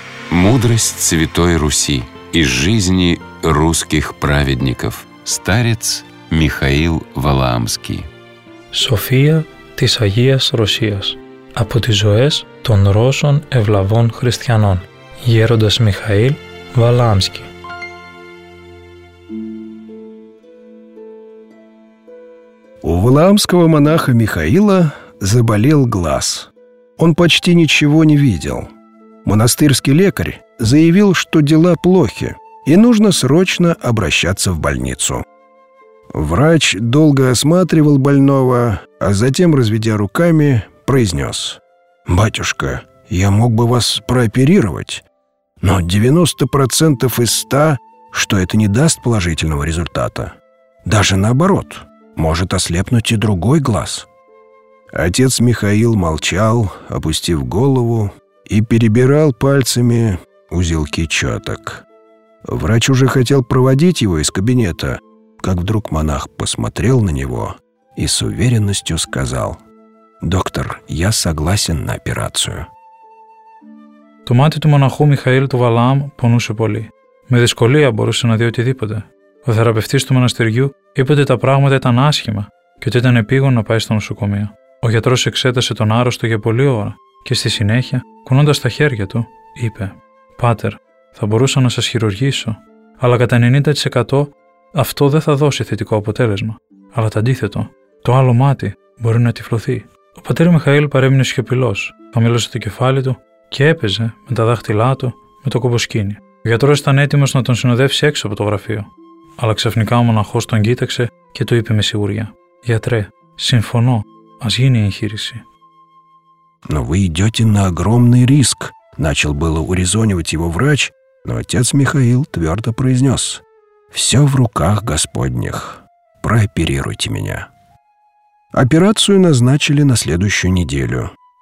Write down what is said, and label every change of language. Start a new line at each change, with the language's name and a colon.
Russian: Мудрость Святой Руси из жизни русских праведников. Старец Михаил Валаамский.
Greek: София της Агίας Ρωσίας. Από τις ζωές των Ρώσων ευλαβών χριστιανών. Γέροντας Μιχαήλ Βαλάμσκι.
Russian: У валаамского монаха Михаила заболел глаз. Он почти ничего не видел. Монастырский лекарь заявил, что дела плохи и нужно срочно обращаться в больницу. Врач долго осматривал больного, а затем, разведя руками, произнес: «Батюшка, я мог бы вас прооперировать, но 90% из 100, что это не даст положительного результата. Даже наоборот, может ослепнуть и другой глаз». Отец Михаил молчал, опустив голову, и перебирал пальцами узелки четок. Врач уже хотел проводить его из кабинета, как вдруг монах посмотрел на него и с уверенностью сказал: «Доктор, я согласен на операцию».
Greek: Το μάτι του μοναχού Μιχαήλ του Βαλάμ πονούσε πολύ. Με δυσκολία μπορούσε να δει οτιδήποτε. Ο θεραπευτής του μοναστηριού είπε ότι τα πράγματα ήταν άσχημα και ότι ήταν επίγον να πάει στο νοσοκομείο. Ο γιατρός εξέτασε τον άρρωστο για πολλή ώρα και στη συνέχεια, κουνώντας τα χέρια του, είπε: «Πάτερ, θα μπορούσα να σας χειρουργήσω, αλλά κατά 90% αυτό δεν θα δώσει θετικό αποτέλεσμα, αλλά το αντίθετο, το άλλο μάτι μπορεί να τυφλωθεί». Ο πατήρ Μιχαήλ παρέμεινε σιωπηλός, χαμήλωσε το κεφάλι του και έπαιζε με τα δάχτυλά του με το κομποσκήνι. Ο γιατρός ήταν έτοιμος να τον συνοδεύσει έξω από το γραφείο, αλλά ξαφνικά ο μοναχός τον κοίταξε και του είπε με σιγουριά: «Γιατρέ, συμφωνώ, ας γίνει η εγχείρηση».
Russian: «Но вы идете на огромный риск», начал было урезонивать его врач, но отец Михаил твердо произнес: «Все в руках Господних. Прооперируйте меня». Операцию назначили на следующую неделю.